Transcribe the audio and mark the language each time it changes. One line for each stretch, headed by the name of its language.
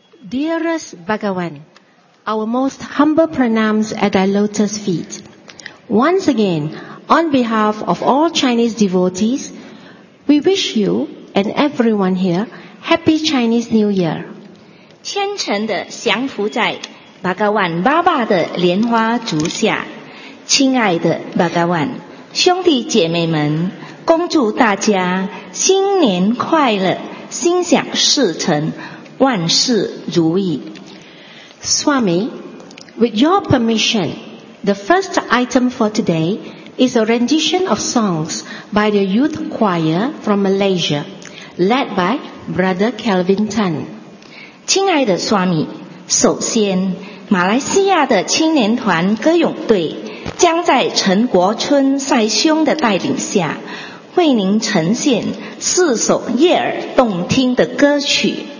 English: Dearest Bhagavan, our most humble pranams at thy lotus feet. Once again, on behalf of all Chinese devotees, we wish you and everyone here Happy Chinese New Year.
Chinese: 虔诚的降伏在巴嘎万巴巴的莲花烛下，亲爱的巴嘎万兄弟姐妹们，恭祝大家新年快乐，心想事成，万事如意。
English: Swami, with your permission, the first item for today is a rendition of songs by the youth choir from Malaysia, led by Brother Kelvin Tan.
Chinese: 亲爱的 Swami, 首先马来西亚的青年团歌咏队将在陈国春赛兄的带领下为您呈现四首悦耳动听的歌曲。